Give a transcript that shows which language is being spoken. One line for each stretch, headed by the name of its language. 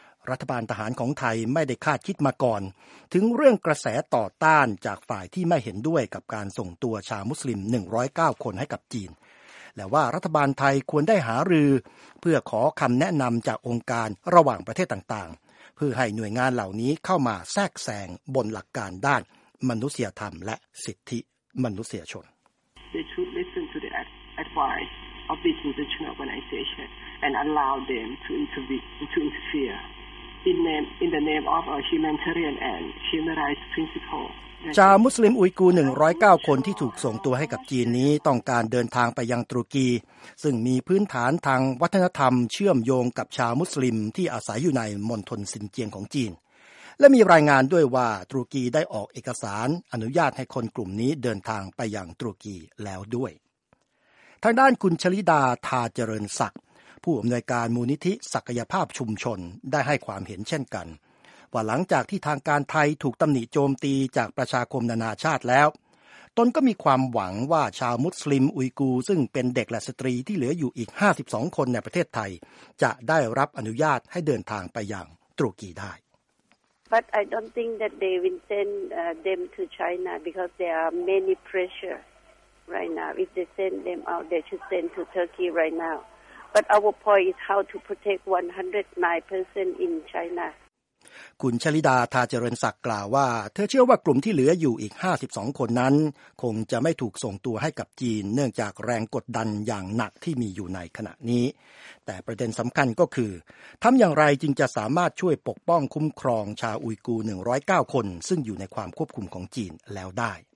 Thai: รัฐบาลทหารของไทยไม่ได้คาดคิดมาก่อนถึงเรื่องกระแสต่อต้านจากฝ่ายที่ไม่เห็นด้วยกับการส่งตัวชาวมุสลิม109คนให้กับจีนและว่ารัฐบาลไทยควรได้หารือเพื่อขอคำแนะนำจากองค์การระหว่างประเทศต่างๆเพื่อให้หน่วยงานเหล่านี้เข้ามาแทรกแซงบนหลักการด้านมนุษยธรรมและสิทธิมนุษยชน
English: They should listen to the advice of these international organizations and allow them to interfere in the name of a humanitarian and human rights principle
Thai: ชาวมุสลิมอุยกูร์109คนที่ถูกส่งตัวให้กับจีนนี้ต้องการเดินทางไปยังตุรกีซึ่งมีพื้นฐานทางวัฒนธรรมเชื่อมโยงกับชาวมุสลิมที่อาศัยอยู่ในมณฑลซินเจียงของจีนและมีรายงานด้วยว่าตุรกีได้ออกเอกสารอนุญาตให้คนกลุ่มนี้เดินทางไปยังตุรกีแล้วด้วย ทางด้านคุณชลิดาทาเจริญศักดิ์ผู้อำนวยการมูลนิธิศักยภาพชุมชนได้ให้ความเห็นเช่นกันว่าหลังจากที่ทางการไทยถูกตำหนิโจมตีจากประชาคมนานาชาติแล้วตนก็มีความหวังว่าชาวมุสลิมอุยกูร์ซึ่งเป็นเด็กและสตรีที่เหลืออยู่อีก52คนในประเทศไทยจะได้รับอนุญาตให้เดินทางไปยังตุรกีได้
English: But I don't think that they will send them to China because there are many pressure right now. If they send them out, they should send to Turkey right now. But our point is how to protect 109 person in China.
Thai: คุณชลิดาทาเจริญศักดิ์กล่าวว่าเธอเชื่อว่ากลุ่มที่เหลืออยู่อีก52คนนั้นคงจะไม่ถูกส่งตัวให้กับจีนเนื่องจากแรงกดดันอย่างหนักที่มีอยู่ในขณะนี้แต่ประเด็นสำคัญก็คือทำอย่างไรจึงจะสามารถช่วยปกป้องคุ้มครองชาวอุยกูร์109คนซึ่งอยู่ในความควบคุมของจีนแล้วได้